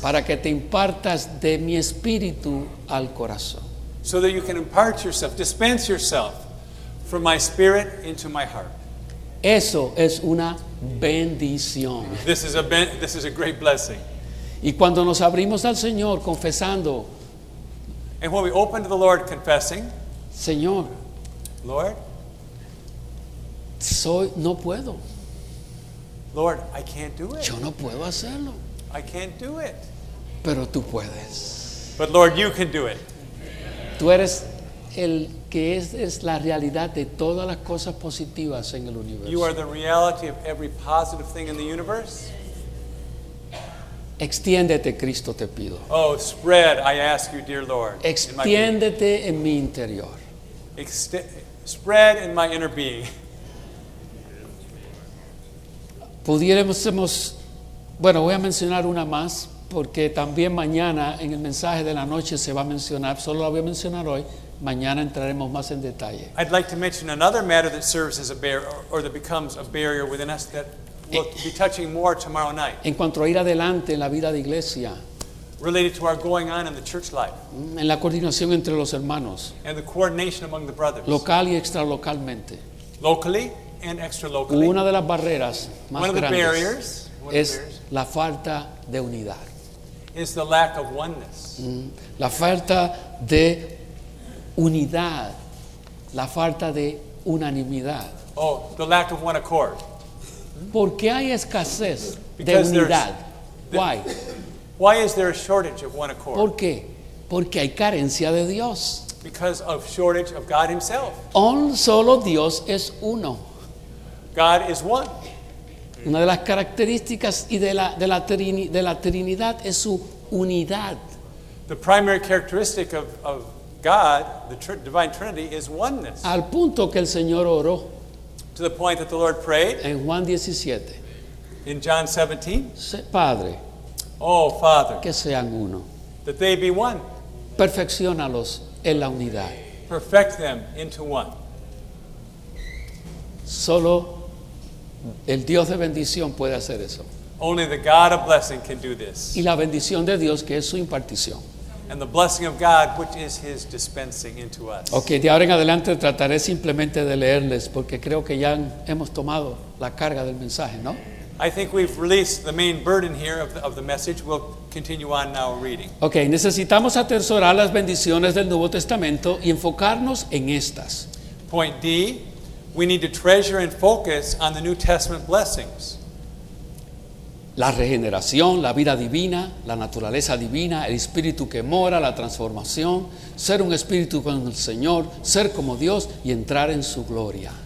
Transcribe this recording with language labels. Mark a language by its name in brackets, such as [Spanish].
[Spanish] Para que te impartas de mi espíritu al corazón. [English] So that you can impart yourself, dispense yourself from my spirit into my heart. [Spanish] Eso es una bendición. [English] This is a great blessing. [Spanish] Y cuando nos abrimos al Señor confesando. [English] And when we open to the Lord confessing. [Spanish] Señor. [English] Lord. [Spanish] No puedo. [English] Lord, I can't do it. [Spanish] Yo no puedo hacerlo. [English] I can't do it. [Spanish] Pero tú puedes. [English] But Lord, you can do it. [Spanish] Tú eres el que es la realidad de todas las cosas positivas en el universo. [English] You are the reality of every positive thing in the universe. [Spanish] Extiéndete, Cristo, te pido. [English] Oh, spread, I ask you, dear Lord. [Spanish] Extiéndete en mi interior. [English] Spread in my inner being. [Spanish] Pudiéramos, bueno, voy a mencionar una más, porque también mañana en el mensaje de la noche se va a mencionar, solo la voy a mencionar hoy, mañana entraremos más en detalle. [English] I'd like to mention another matter that serves as a barrier, or that becomes a barrier within us that we'll be touching more tomorrow night. [Spanish] En cuanto a ir adelante en la vida de iglesia. [English] Related to our going on in the church life. [Spanish] En la coordinación entre los hermanos. [English] And the coordination among the brothers. [Spanish] Local y extralocalmente. [English] Locally. And extra locally. [Spanish] Una de las barreras más [English] one of the [Spanish] grandes [English] barriers, [Spanish] es la falta de unidad. [English] Is the lack of oneness. [Spanish] La falta de unidad. La falta de unanimidad. [English] Oh, the lack of one accord. [Spanish] ¿Por qué hay escasez de unidad? [English] Why? Why is there a shortage of one accord? [Spanish] ¿Por qué? Porque hay carencia de Dios. [English] Because of shortage of God himself. [Spanish] Un solo Dios es uno. [English] God is one. [Spanish] Una de las características y de la Trinidad es su unidad. [English] The primary characteristic of God, the divine Trinity, is oneness. [Spanish] Al punto que el Señor oró. [English] To the point that the Lord prayed. [Spanish] En Juan 17. [English] In John 17. [Spanish] Padre. [English] Oh, Father. [Spanish] Que sean uno. [English] That they be one. [Spanish] Perfeccionalos en la unidad. [English] Perfect them into one. [Spanish] Solo el Dios de bendición puede hacer eso. [English] Only the God of blessing can do this. [Spanish] Y la bendición de Dios, que es su impartición. [English] And the blessing of God, which is his dispensing into us. [Spanish] Okay, de ahora en adelante trataré simplemente de leerles, porque creo que ya hemos tomado la carga del mensaje, ¿no? [English] I think we've released the main burden here of the message. We'll continue on now reading. [Spanish] Okay, necesitamos atesorar las bendiciones del Nuevo Testamento y enfocarnos en estas. [English] Point D. We need to treasure and focus on the New Testament blessings. [Spanish] La regeneración, la vida divina, la naturaleza divina, el espíritu que mora, la transformación, ser un espíritu con el Señor, ser como Dios y entrar en su gloria.